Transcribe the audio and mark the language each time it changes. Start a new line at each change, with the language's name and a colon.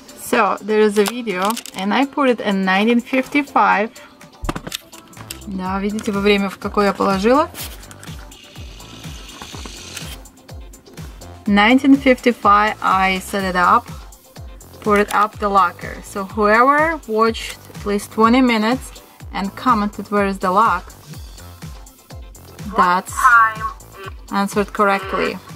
English: So there is a video, and I put it in 1955.
Russian: Да, видите, во время, в какое я положила?
English: 1955, I set it up, put it up the locker. So whoever watched at least 20 minutes and commented where is the lock, that's answered correctly.